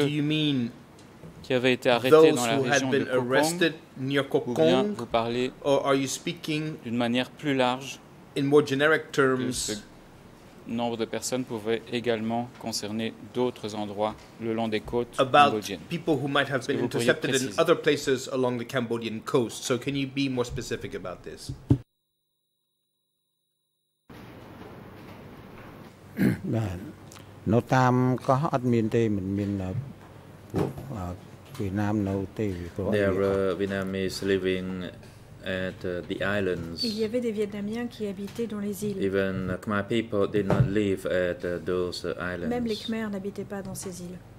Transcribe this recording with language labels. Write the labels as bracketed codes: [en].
[en] do you mean [fr] qui avaient été arrêtés dans la région de Kokong, ou bien vous parlez [en] or are you speaking [fr] d'une manière plus large [en] in more generic terms, [fr] que ce nombre de personnes pouvait également concerner d'autres endroits le long des côtes cambodgiennes. [en] People who might have been intercepted in other places along the Cambodian coast. So can you be more specific about this? Nó tam có ad miền tây mình miền là there were Vietnamese living at the islands. [fr] Il y avait des Vietnamiens qui habitaient dans les îles. [en] Even Khmer people did not live at those islands. [fr] Même les Khmer n'habitaient pas dans ces îles.